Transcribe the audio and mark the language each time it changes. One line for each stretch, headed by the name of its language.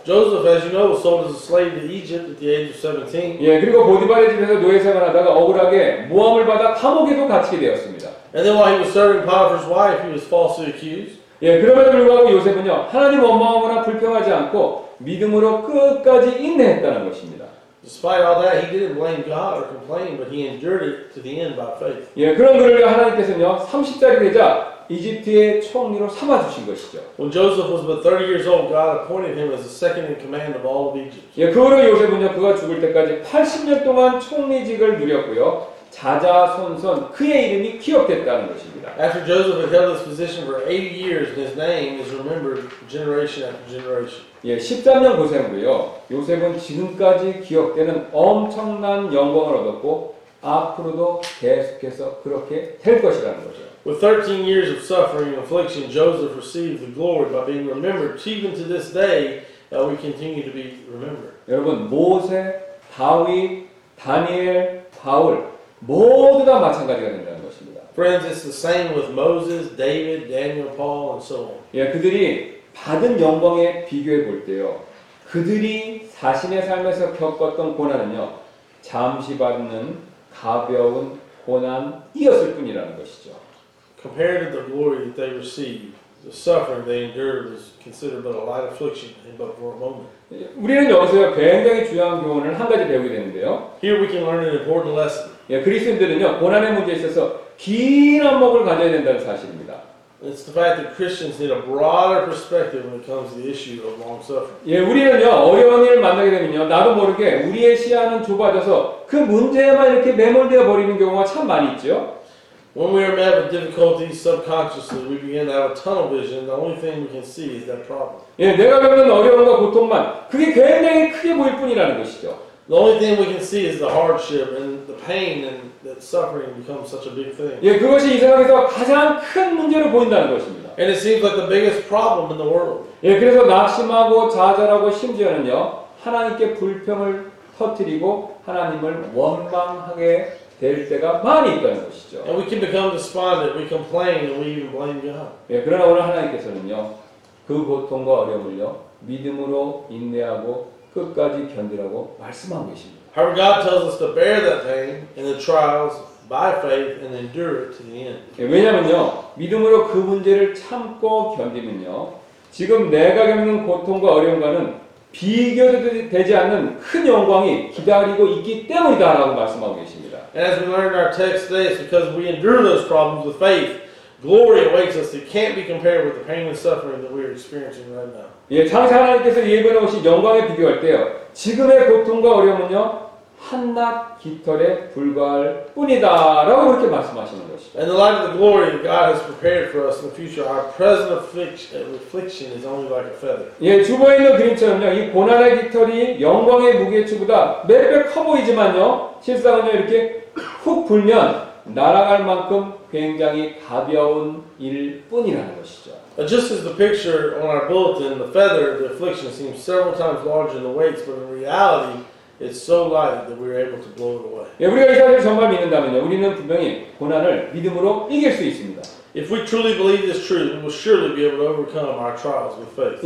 English: Joseph, as you know, was sold as a slave to Egypt at the age of 17.
Korean: 예, 그리고 보디발의 집에서 노예 생활하다가 억울하게 모함을 받아 감옥에도 갇히게 되었습니다.
English: And then while he was serving Potiphar's wife, he was falsely accused.
Korean: 예, 그럼에도 불구하고 요셉은요, 하나님 원망하거나 불평하지 않고 믿음으로 끝까지 인내했다는 것입니다.
English: Despite all that, he didn't blame God or complain, but he endured it to the end by faith.
Korean: 예, 그런 그를 하나님께서는요, 30살이 되자 이집트의 총리로 삼아 주신 것이죠.
English: When Joseph was but 30 years old, God appointed him as the second in command of all of Egypt.
Korean: 예, 그 후로 요셉은요, 그가 죽을 때까지 80년 동안 총리직을 누렸고요. 자자손손 그의 이름이 기억됐다는 것입니다.
English: After Joseph had held this position for 80 years, his name is remembered generation after generation.
Korean: 예, 13년 고생 후요, 요셉은 지금까지 기억되는 엄청난 영광을 얻었고 앞으로도 계속해서 그렇게 될 것이라는 거죠.
English: With 13 years of suffering and affliction, Joseph received the glory by being remembered. Even to this day, we continue to be remembered.
Korean: 여러분, 모세, 다윗, 다니엘, 바울 모두 다 마찬가지가 된다는 것입니다.
English: Friends, it's the same with Moses, David, Daniel, Paul, and so on.
Korean: 예, 그들이 받은 영광에 비교해 볼 때요, 그들이 자신의 삶에서 겪었던 고난은요, 잠시 받는 가벼운 고난이었을 뿐이라는 것이죠.
English: Compared to the glory that they received, the suffering they endured was considered but a light affliction, and but for a moment.
Korean: 우리는 여기서 굉장히 중요한 교훈을 한 가지 배우게 되는데요.
English: Here we can learn an important lesson.
Korean: 예, 그리스도인들은요, 고난의 문제에 있어서 긴 안목을 가져야 된다는 사실입니다.
English: It's the fact that Christians need a broader perspective when it comes to the issue of long suffering.
Korean: 예, 우리는요, 어려운 일을 만나게 되면요, 나도 모르게 우리의 시야는 좁아져서 그 문제에만 이렇게 매몰되어 버리는 경우가 참 많이 있죠.
English: When we are met with difficulties subconsciously, we begin to have a tunnel vision. The only thing we can see is that problem.
Korean: 예, 내가 겪는 어려움과 고통만 그게 굉장히 크게 보일 뿐이라는 것이죠.
English: The only thing we can see is the hardship and the pain and that suffering becomes such a big thing.
Korean: 예, 그것이 이 세상에서 가장 큰 문제로 보인다는 것입니다.
English: And it seems like the biggest problem in the world.
Korean: 예, 그래서 낙심하고 좌절하고 심지어는요, 하나님께 불평을 터뜨리고 하나님을 원망하게 될 때가 많이 있다는 것이죠.
English: And we can become despondent, we complain, and we even blame God.
Korean: 예, 그러나 오늘 하나님께서는요, 그 고통과 어려움을요, 믿음으로 인내하고 끝까지 견디라고 말씀하고 계십니다.
English: However, God tells us to bear that pain and the trials by faith and endure it to the end.
Korean: 예, 왜냐면요, 믿음으로 그 문제를 참고 견디면요, 지금 내가 겪는 고통과 어려움과는 비교되지 않는 큰 영광이 기다리고 있기 때문이다라고 말씀하고 계십니다.
English: And as we learn in our text today, it's because we endure those problems with faith. Glory awaits us that can't be compared with the pain and suffering that we're experiencing right now.
Korean: 예, 장차 하나님께서 예비해 놓으신 영광에 비교할 때요, 지금의 고통과 어려움은요, 한낱 깃털에 불과할 뿐이다라고 이렇게 말씀하시는 것이죠.
English: And the light of the glory that God has prepared for us in the future, our present affliction is only like a feather.
Korean: 예, 주변에 있는 그림처럼요, 이 고난의 깃털이 영광의 무게추보다 매우 커 보이지만요, 실상은요, 이렇게 훅 불면 날아갈 만큼 굉장히 가벼운 일뿐이라는 것이죠.
English: Just as the picture on our bulletin, the feather, the affliction seems several times larger than the weights, but in reality, It's so light that we're able to blow it away.
Korean: 예, 우리가 이 사실을 정말 믿는다면요, 우리는 분명히 고난을 믿음으로 이길 수 있습니다.
English: If we truly believe this truth, we will surely be able to overcome our trials with faith.